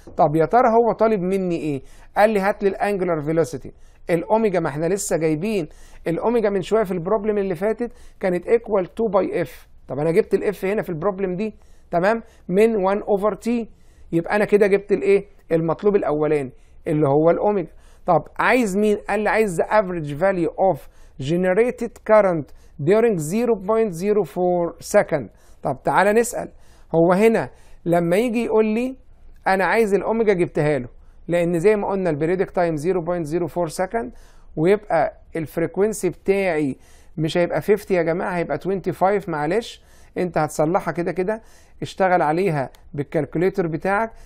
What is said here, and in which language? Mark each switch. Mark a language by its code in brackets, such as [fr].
[ar] طب يا ترى هو طالب مني ايه؟ قال لي هات لي الانجلر فيلوسيتي. الاوميجا، ما احنا لسه جايبين الاوميجا من شويه في البروبلم اللي فاتت كانت ايكوال 2 باي اف. طب انا جبت الاف هنا في البروبلم دي، تمام، من 1 اوفر تي، يبقى انا كده جبت الايه؟ المطلوب الاولاني اللي هو الاوميجا. طب عايز مين؟ قال لي عايز [en] the average value of generated current during 0.04 second. [ar] طب تعالى نسأل، هو هنا لما يجي يقول لي انا عايز الاوميجا جبتها له، لان زي ما قلنا [en] البريدك time 0.04 second, [ar] ويبقى الفريكوينسي بتاعي مش هيبقى 50 يا جماعة، هيبقى 25 معلش، انت هتصلحها كده كده، اشتغل عليها بالكالكوليتر بتاعك.